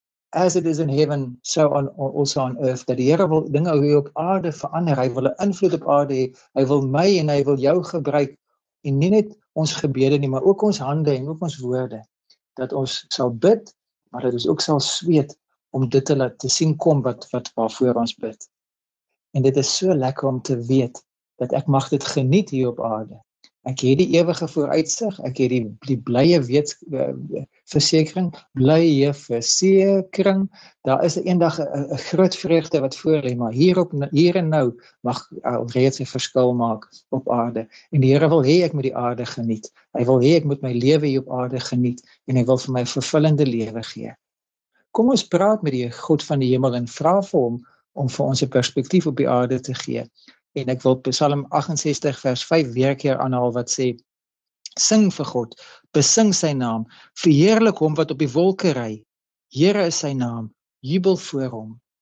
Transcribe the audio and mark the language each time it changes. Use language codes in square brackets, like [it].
[en] As it is in heaven, so also on earth. [af] Dat die Here wil dinge hier op aarde verander. Hy wil 'n invloed op aarde hê. Hy wil my en hy wil jou gebruik en nie net ons gebede nie, maar ook ons hande en ook ons woorde, dat ons sal bid, maar dat ons ook sal sweet om dit te laat sien kom wat waarvoor ons bid. En dit is so lekker om te weet dat ek mag dit geniet hier op aarde. Ek het die ewige vooruitsig, ek het die blye weet versekering, blye versekering, daar is eendag 'n groot vreugde wat voor lê, maar hier en nou mag alreeds 'n verskil maak op aarde. En die Here wil hê ek moet die aarde geniet. Hy wil hê ek moet my lewe hier op aarde geniet en hy wil vir my 'n vervullende lewe gee. Kom ons praat met die God van die hemel en vra vir hom om vir ons 'n perspektief op die aarde te gee. En ek wil Psalm 68 vers 5 weer keer aanhaal wat sê: Sing vir God, besing sy naam, verheerlik hom wat op die wolke ry. Here is sy naam, jubel voor hom.